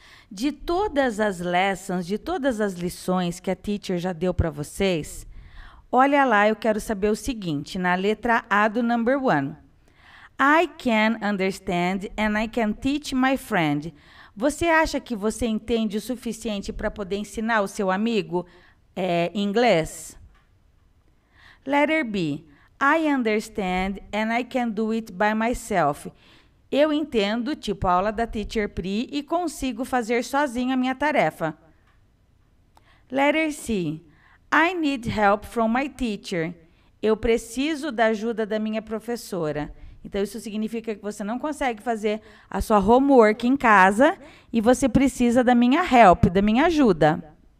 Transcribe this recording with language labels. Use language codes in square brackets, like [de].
[pt] De todas as lessons, de todas as lições que a teacher já deu para vocês, olha lá, eu quero saber o seguinte, na letra A do [en] number one. I can understand and I can teach my friend. [pt] Você acha que você entende o suficiente para poder ensinar o seu amigo inglês? [en] Letter B. I understand and I can do it by myself. [pt] Eu entendo, tipo aula da Teacher Pri, e consigo fazer sozinha a minha tarefa. [en] Letter C. I need help from my teacher. [pt] Eu preciso da ajuda da minha professora. Então, isso significa que você não consegue fazer a sua homework em casa e você precisa da minha help, da minha ajuda.